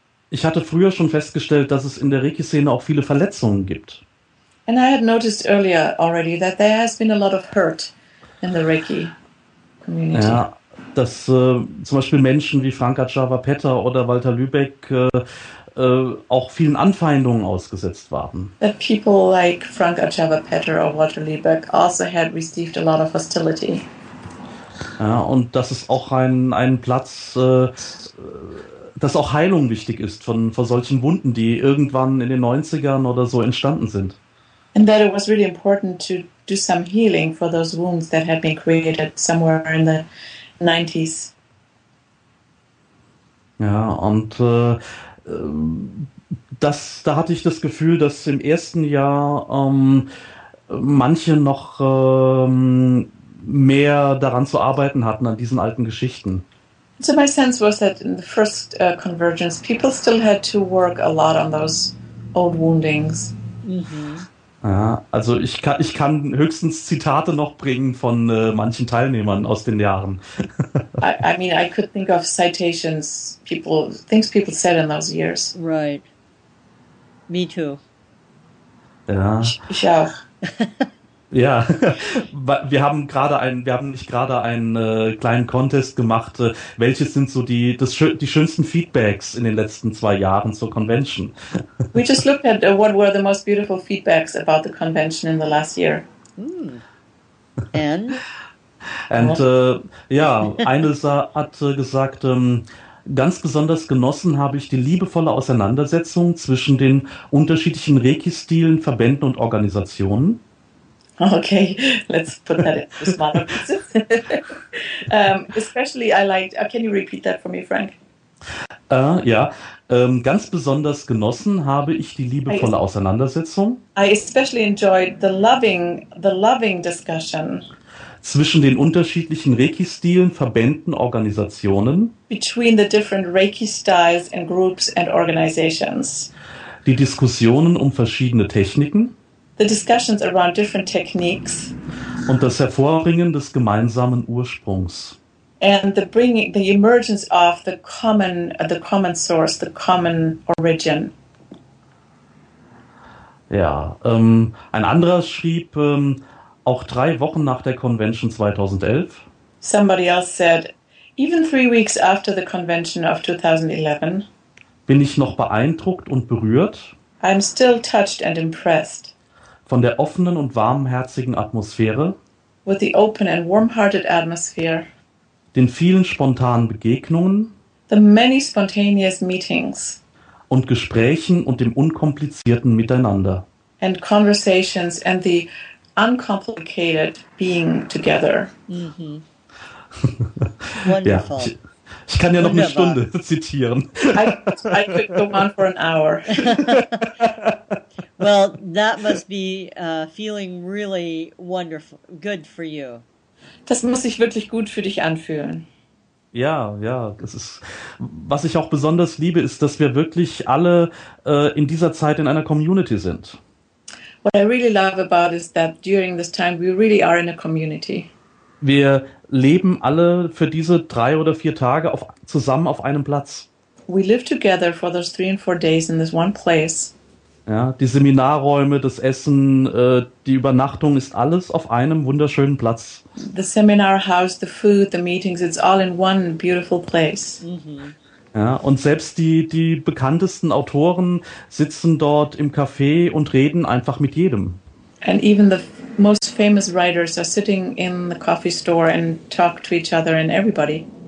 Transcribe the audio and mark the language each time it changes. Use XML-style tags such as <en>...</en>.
<de>Ich hatte früher schon festgestellt, dass es in der Reiki-Szene auch viele Verletzungen gibt.</de> <en>And I had noticed earlier already that there has been a lot of hurt in the Reiki community.</en> <de>Ja, dass zum Beispiel Menschen wie Frank Ajava-Petter oder Walter Lübeck auch vielen Anfeindungen ausgesetzt waren.</de> <en>That people like Frank Ajava-Petter or Walter Lübeck also had received a lot of hostility.</en> <de>Ja, und dass es auch ein Platz, dass auch Heilung wichtig ist von solchen Wunden, die irgendwann in den 90ern oder so entstanden sind.</de> <en>And that it was really important to do some healing for those wounds that had been created somewhere in the 90s.</en> <de>Ja, und da hatte ich das Gefühl, dass im ersten Jahr manche noch mehr daran zu arbeiten hatten, an diesen alten Geschichten.</de> <en>So my sense was that in the first convergence, people still had to work a lot on those old woundings. Mhm.</en> <de>Ja, also ich kann höchstens Zitate noch bringen von manchen Teilnehmern aus den Jahren.</de> <en>I mean, I could think of citations, things people said in those years. Right. Me too.</en> <de>Ja. Ich auch. Ja, wir haben nicht gerade einen kleinen Contest gemacht. Welches sind so die schönsten Feedbacks in den letzten 2 Jahren zur Convention?</de> <en>We just looked at what were the most beautiful feedbacks about the convention in the last year. Mm. And?</en> <de>And, eine hat gesagt, ganz besonders genossen habe ich die liebevolle Auseinandersetzung zwischen den unterschiedlichen Reiki-Stilen, Verbänden und Organisationen.</de> <en>Okay, let's put that in the smaller pieces. especially I liked, can you repeat that for me, Frank?</en> <de>Ganz besonders genossen habe ich die liebevolle Auseinandersetzung.</de> <en>I especially enjoyed the loving discussion.</en> <de>Zwischen den unterschiedlichen Reiki-Stilen, Verbänden, Organisationen.</de> <en>Between the different Reiki-Styles and groups and organizations.</en> <de>Die Diskussionen um verschiedene Techniken.</de> <en>The discussions around different techniques</en> <de>und das Hervorbringen des gemeinsamen Ursprungs</de> <en>and the bringing, the emergence of the common source, the common origin.</en> <de>Ja, ein anderer schrieb auch 3 Wochen nach der Convention 2011.</de> <en>Somebody else said, even 3 weeks after the convention of 2011.</en> <de>Bin ich noch beeindruckt und berührt.</de> <en>I'm still touched and impressed.</en> <de>Von der offenen und warmherzigen Atmosphäre.</de> <en>With the open and warm-hearted atmosphere.</en> <de>Den vielen spontanen Begegnungen.</de> <en>The many spontaneous meetings.</en> <de>Und Gesprächen und dem unkomplizierten Miteinander.</de> <en>And conversations and the uncomplicated being together. Mm-hmm. Wonderful.</en> <de>Ja, ich kann ja noch eine Stunde zitieren.</de> <en>I could go on for an hour. Well, that must be feeling really wonderful, good for you.</en> <de>Das muss sich wirklich gut für dich anfühlen. Ja, ja, das ist, was ich auch besonders liebe, ist, dass wir wirklich alle in dieser Zeit in einer Community sind.</de> <en>What I really love about is that during this time we really are in a community.</en> <de>Wir leben alle für diese 3 oder 4 Tage zusammen auf einem Platz.</de> <en>We live together for those 3 and 4 days in this one place.</en> <de>Ja, die Seminarräume, das Essen, die Übernachtung ist alles auf einem wunderschönen Platz.</de> <en>The seminar house, the food, the meetings, it's all in one beautiful place. Mm-hmm.</en> <de>Ja, und selbst die bekanntesten Autoren sitzen dort im Café und reden einfach mit jedem.</de> <en>And even the most famous writers are sitting in the coffee store and talk to each other and everybody.</en>